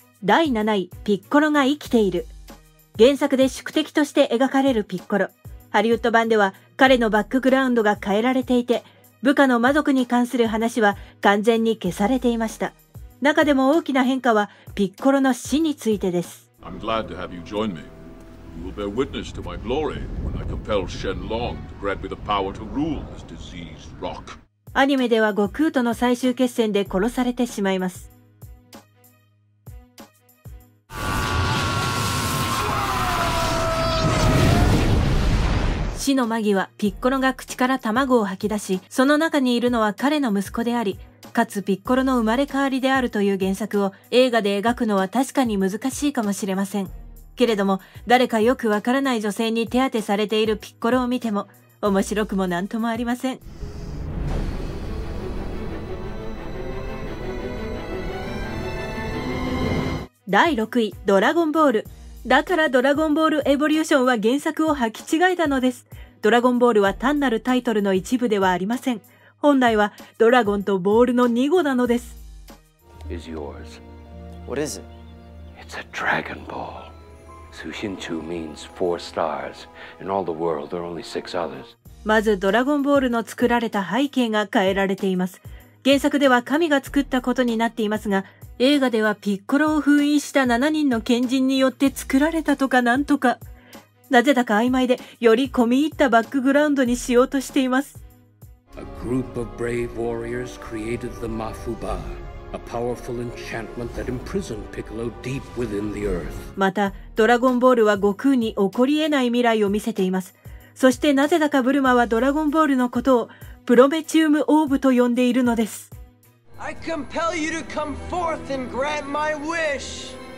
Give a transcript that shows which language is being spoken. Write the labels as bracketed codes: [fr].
[ja] 第7位、ピッコロが生きている。原作で宿敵として描かれるピッコロ、ハリウッド版では彼のバックグラウンドが変えられていて、部下の魔族に関する話は完全に消されていました。中でも大きな変化はピッコロの死についてです。 [en] I'm glad to have you join me. You will bear witness to my glory when I compel Shen Long to grant me the power to rule this diseased rock. [ja] アニメでは悟空との最終決戦で殺されてしまいます。死の間際、ピッコロが口から卵を吐き出し、その中にいるのは彼の息子であり、かつピッコロの生まれ変わりであるという原作を映画で描くのは確かに難しいかもしれませんけれども、誰かよくわからない女性に手当てされているピッコロを見ても面白くもなんともありません。第6位、ドラゴンボール。だからドラゴンボールエボリューションは原作を履き違えたのです。ドラゴンボールは単なるタイトルの一部ではありません。本来はドラゴンとボールの2語なのです。 [en] Is yours? What is it? It's a dragon ball. Sushinchu means four stars. In all the world, there are only six others. [ja] まずドラゴンボールの作られた背景が変えられています。原作では神が作ったことになっていますが、映画ではピッコロを封印した7人の賢人によって作られたとかなんとか、なぜだか曖昧でより込み入ったバックグラウンドにしようとしています。 [en] A group of brave warriors created the Mafuba, A powerful enchantment that imprisoned Piccolo deep within the earth. [ja] また、ドラゴンボールは悟空に起こり得ない未来を見せています。そしてなぜだかブルマはドラゴンボールのことをプロメチウムオーブと呼んでいるのです。 [en] I compel you to come forth and grant my wish.